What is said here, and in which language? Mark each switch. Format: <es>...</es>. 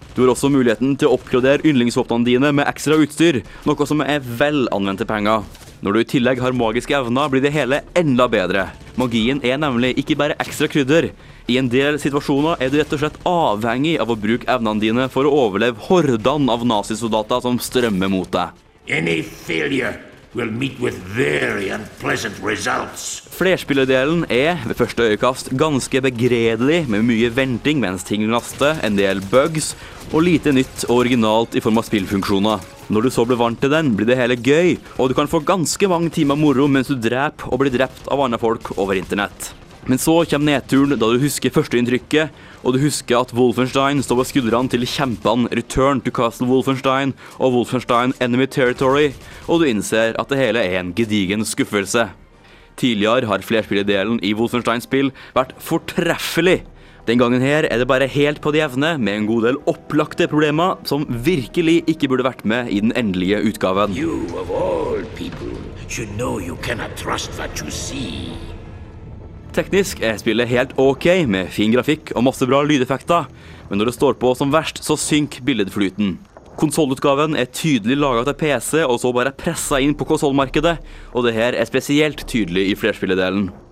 <no>Du har også muligheten til å oppgradere yndlingsvåpnene dine med ekstra utstyr, noe som er vel anvendte penger. Når du i tillegg har magiske evner, blir det hele enda bedre. Magien er nemlig ikke bare ekstra krydder. I en del situasjoner er du rett og slett avhengig av å bruke evnene dine for å overleve hordene av nazisoldater som strømmer mot deg.</no> <en>Any failure will meet with very unpleasant results.</en> <no>Flerspillerdelen ved første øyekast ganske begredelig med mye venting mens ting laster, en del bugs og lite nytt og originalt I form av spillfunksjoner. Når du så blir vant til den, blir det hele gøy, og du kan få ganske mange timer moro mens du dreper og blir drept av andre folk over internett. Men så kommer nedturen da du husker førsteinntrykket, og du husker at Wolfenstein står på skuldrene til kjempene Return to Castle Wolfenstein og Wolfenstein Enemy Territory, og du innser at det hele en gedigen skuffelse. Tidligere har flerspilledelen I Wolfenstein-spill vært fortreffelig. Den gangen her det bare helt på det jevne med en god del opplagte problemer som virkelig ikke burde vært med I den endelige utgaven.</no> <en>You of all people should know you cannot trust what you see.</en> <no>Teknisk spillet helt ok med fin grafikk og masse bra lydeffekter, men når det står på som verst så synker billedflyten. Konsolutgaven tydelig laget til PC og så bare presset inn på konsolmarkedet, og det her spesielt tydelig I flerspilledelen.</no>